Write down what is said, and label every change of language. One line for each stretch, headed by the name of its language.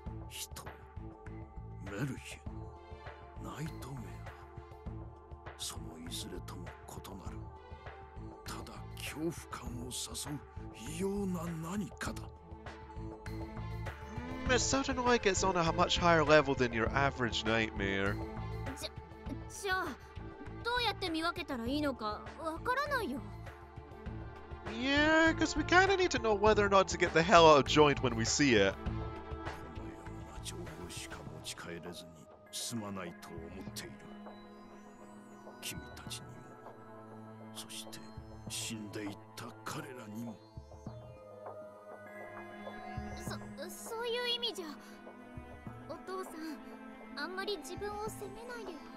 Japanese: 人、メルヒン、ナイトメア、そのいずれとも異なる。ただ恐怖感を誘う異様な何かだ。
English: It sounded like it's on a much higher level than your average nightmare.
Japanese: じゃあ、どうやって見分けたらいいのかわからないよ。
English: Yeah, because we kind of need to know whether or not to get the hell out of joint when we see it.
Japanese: このような情報しか持ち帰れずに済まないと思っている。君たちにも、そして死んでいった彼らにも。そういう意味じゃ、お父さん、あんまり自分を責めないで。